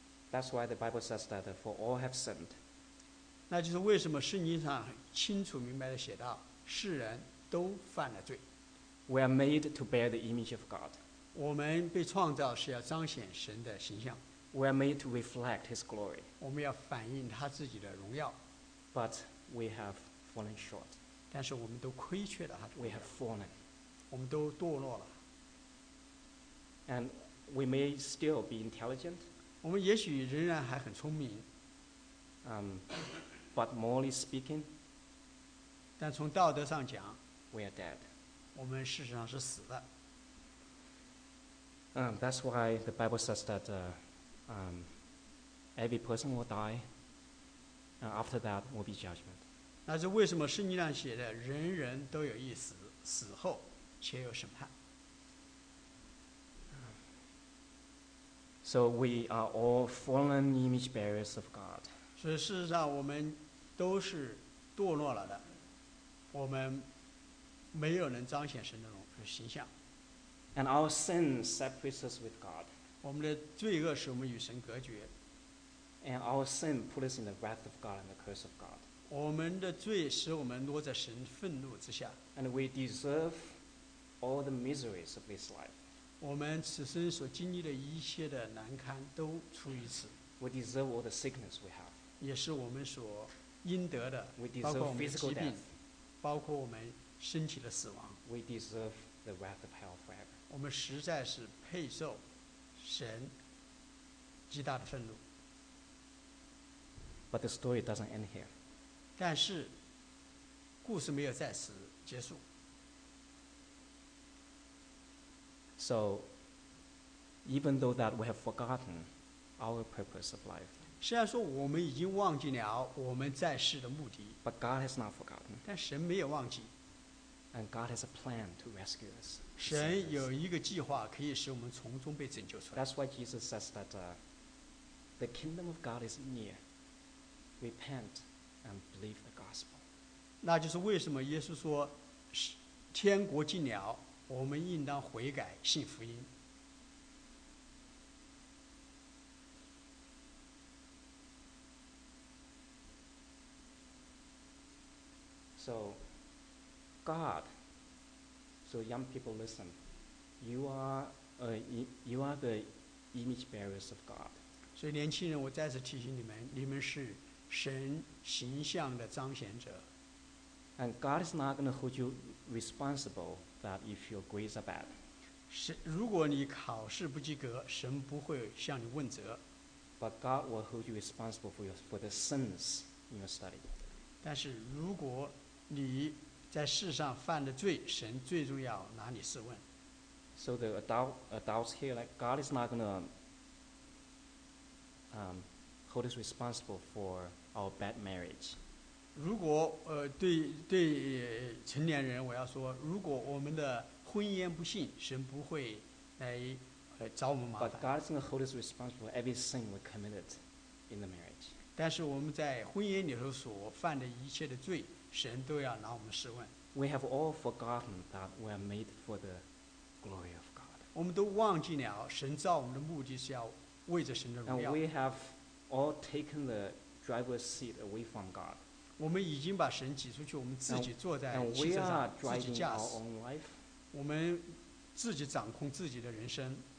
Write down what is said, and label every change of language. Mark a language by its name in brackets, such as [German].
[English] That's why the Bible says that for all have sinned. [Chinese] 那就是为什么圣经上清楚明白的写到，世人都犯了罪。 [English] We are made to bear the image of God. [Chinese] 我们被创造是要彰显神的形象。 [English] We are made to reflect His glory. [Chinese] 我们要反映他自己的荣耀。 [English] But we have fallen short. [Chinese] 但是我们都亏缺了他的荣耀。 [English] We have fallen. [Chinese] 我们都堕落了。 [English] And we may still be intelligent. [Chinese] 我们也许仍然还很聪明。 [English] But morally speaking, [Chinese] 但从道德上讲 [English] we are dead. [Chinese] 我们事实上是死的。 [English] That's why the Bible says that every person will die, and after that will be judgment. [Chinese] 那是为什么圣经上写的人人都有一死，死后且有审判。 [English] So we are all fallen image bearers of God. [Chinese] 所以事实上我们都是堕落了的，我们。没有能彰显神的形象。 [English] And our sin separates us with God. [Chinese] 我们的罪恶使我们与神隔绝。 [English] And our sin puts us in the wrath of God and the curse of God. [Chinese] 我们的罪使我们落在神愤怒之下。 [English] And we deserve all the miseries of this life. [Chinese] 我们此生所经历的一切的难堪都出于此。 [English] We deserve all the sickness we have. [Chinese] 也是我们所应得的，包括我们的疾病，包括我们。身体的死亡。 [English] We deserve the wrath of hell forever. [Chinese] 我们实在是配受神极大的愤怒。 [English] But the story doesn't end here. [Chinese] 但是故事没有在此结束。 [English] So, even though that we have forgotten our purpose of life. [Chinese] 虽然说我们已经忘记了我们在世的目的。 [English] But God has not forgotten. [Chinese] 但神没有忘记。 [English] And God has a plan to rescue us. [Chinese] 神有一个计划可以使我们从中被拯救出来。 [English] That's why Jesus says that the kingdom of God is near. Repent and believe the gospel. [Chinese] 那就是为什么耶稣说天国近了，我们应当悔改信福音。 [English] So,God, so young people listen, you are the image bearers of God. [Chinese] 所以年轻人，我再次提醒你们，你们是神形象的彰显者。 [English] And God is not going to hold you responsible that if your grades are bad. [Chinese] 如果你考试不及格，神不会向你问责。 [English] But God will hold you responsible for the sins in your study. [Chinese] 但是如果你在世上犯的罪，神最终要拿你试问。 [English] So the adults here, like God is not going to hold us responsible for our bad marriage. [Chinese] 如果对成年人，我要说，如果我们的婚姻不幸，神不会来找我们麻烦。 [English] But God is going to hold us responsible for every sin we committed in the marriage. [Chinese] 但是我们在婚姻里头所犯的一切的罪，神都要拿我们试问。 [English] We have all forgotten that we are made for the glory of God. [Chinese] 我们都忘记了神造我们的目的是要为着神的荣耀。 [English] And we have all taken the driver's seat away from God. [Chinese] 我们已经把神挤出去，我们自己坐在汽车上， [English] and we are [Chinese] 自己驾驶。 [English] Our own life. [Chinese] 我们自己掌控自己的人生。